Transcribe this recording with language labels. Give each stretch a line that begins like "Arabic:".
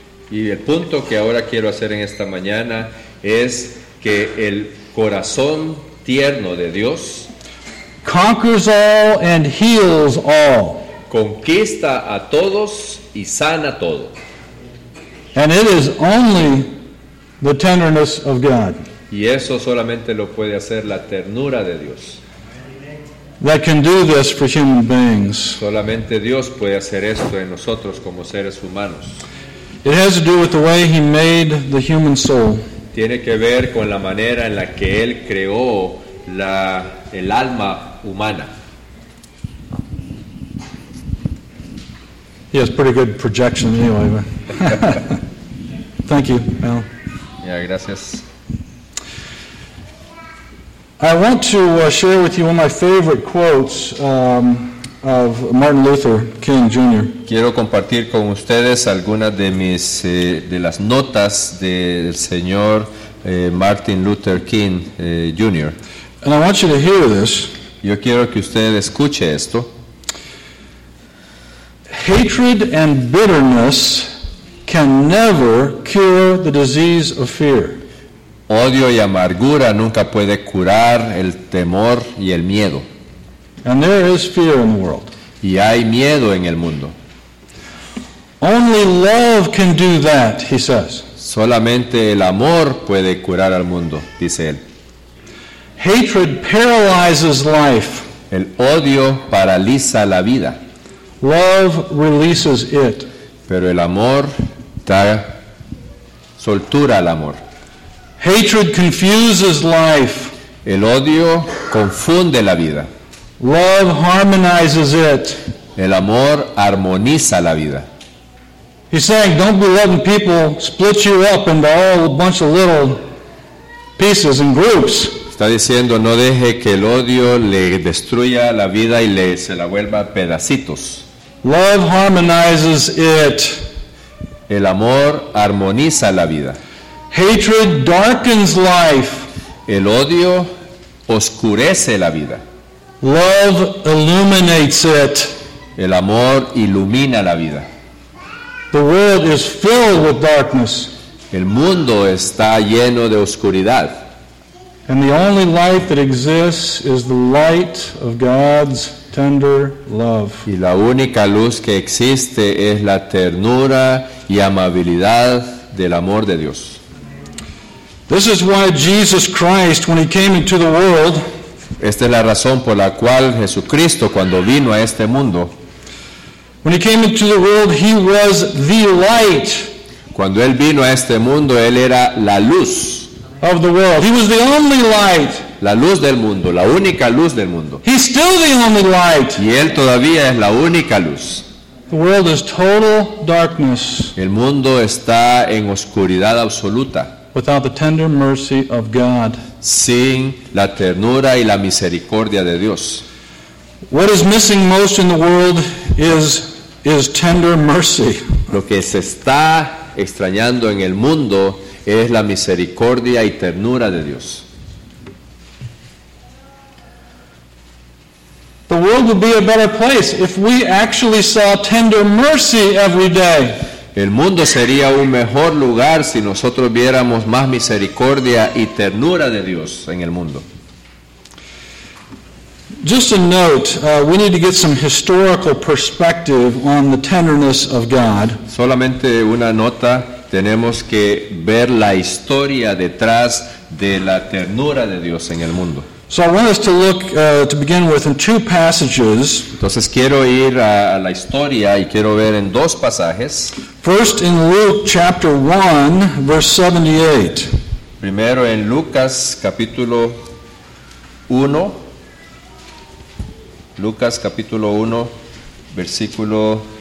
Spanish: Y el punto que ahora quiero hacer en esta mañana es que el corazón tierno de Dios
English: conquers all and heals all.
Spanish: Conquista a todos y sana todo.
English: And it is only the tenderness of God.
Spanish: Y eso solamente lo puede hacer la ternura de Dios.
English: That can do this for human beings.
Spanish: Solamente Dios puede hacer esto en nosotros como seres humanos.
English: It has to do with the way He made the human soul.
Spanish: Tiene que ver con la manera en la que Él creó el alma humana.
English: He has pretty good projection anyway. Thank you, Al. Yeah, gracias. I want to share with you one of my favorite quotes of Martin Luther King Jr.
Spanish: Quiero compartir con ustedes algunas de mis de las notas del señor Martin Luther King Jr.
English: And I want you to hear this.
Spanish: Yo quiero que usted escuche esto.
English: Hatred and bitterness can never cure the disease of fear.
Spanish: Odio y amargura nunca puede curar el temor y el miedo.
English: And there is fear in the world.
Spanish: Y hay miedo en el mundo.
English: Only love can do that, he says.
Spanish: Solamente el amor puede curar al mundo, dice él.
English: Hatred paralyzes life.
Spanish: El odio paraliza la vida.
English: Love releases it.
Spanish: Pero el amor da soltura al amor.
English: Hatred confuses life.
Spanish: El odio confunde la vida.
English: Love harmonizes it.
Spanish: El amor armoniza la vida.
English: He's saying, don't be letting people split you up into all a bunch of little pieces and groups.
Spanish: Está diciendo, no deje que el odio le destruya la vida y se la vuelva pedacitos.
English: Love harmonizes it.
Spanish: El amor armoniza la vida.
English: Hatred darkens life.
Spanish: El odio oscurece la vida.
English: Love illuminates it.
Spanish: El amor ilumina la vida.
English: The world is filled with darkness.
Spanish: El mundo está lleno de oscuridad.
English: And the only light that exists is the light of God's tender love.
Spanish: Y la única luz que existe es la ternura y amabilidad del amor de Dios.
English: This is why Jesus Christ, when he came into the world,
Spanish: esta es la razón por la cual Jesucristo, cuando vino a este mundo,
English: when he came into the world, he was the light.
Spanish: Cuando él vino a este mundo, él era la luz
English: of the world. He was the only light.
Spanish: La luz del mundo, la única luz del mundo.
English: He's still the only light.
Spanish: Y él todavía es la única luz.
English: The world is total darkness.
Spanish: El mundo está en oscuridad absoluta.
English: Without the tender mercy of God.
Spanish: Sin la ternura y la misericordia de Dios.
English: What is missing most in the world is tender mercy.
Spanish: Lo que se está extrañando en el mundo es la misericordia y ternura de Dios.
English: The world would be a better place if we actually saw tender mercy every day.
Spanish: El mundo sería un mejor lugar si nosotros viéramos más misericordia y ternura de Dios en el mundo.
English: Just a note, we need to get some historical perspective on the tenderness of God.
Spanish: Solamente una nota, tenemos que ver la historia detrás de la ternura de Dios en el mundo.
English: So I want us to look to begin with in two passages.
Spanish: Entonces quiero ir a la historia y quiero ver en dos pasajes.
English: First in Luke chapter 1 verse 78.
Spanish: Primero en Lucas capítulo 1. Lucas capítulo 1 versículo